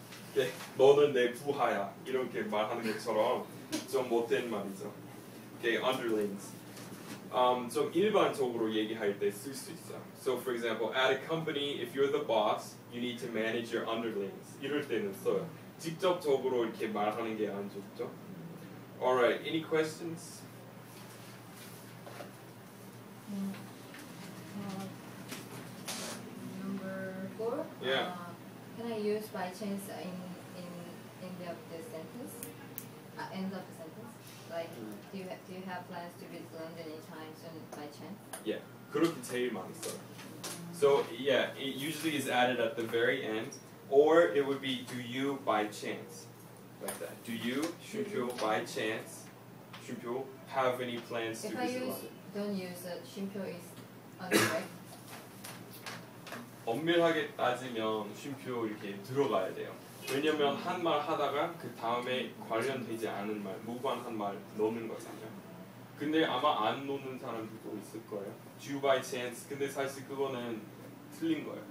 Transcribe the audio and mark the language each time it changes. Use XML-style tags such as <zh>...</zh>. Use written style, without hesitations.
<ko>Okay, 너는 내 부하야 이렇게 말하는 것처럼 좀 못된 말이죠.</ko> <en>Okay, underlings.</en> <ko>좀 일반적으로 얘기할 때 쓸 수 있어요.</ko> <en>So for example, at a company, if you're the boss, you need to manage your underlings.</en> <ko>이럴 때는 써요. 직접적으로 이렇게 말하는 게 안 좋죠.</ko> <en>Alright, any questions? Number 4? Yeah. Can I use by chance in the end of the sentence? End of the sentence? Like, do you have plans to visit London anytime soon by chance? Yeah,</en> <ko>그렇게 제일 많이 써요.</ko> <en>So yeah, it usually is added at the very end, or it would be do you by chance, like that. Do you, 심표, by chance, 심표, have any plans to visit London? If I use, don't use it, 심표 is on the way.</en> <ko>엄밀하게 따지면 심표 이렇게 들어가야 돼요. 왜냐면 한 말 하다가 그 다음에 관련되지 않은 말, 무관한 말 넣는 거잖아요. 근데 아마 안 넣는 사람들도 있을 거예요.</ko> <en>Do you by chance?</en> <ko>근데 사실 그거는 틀린 거예요.</ko>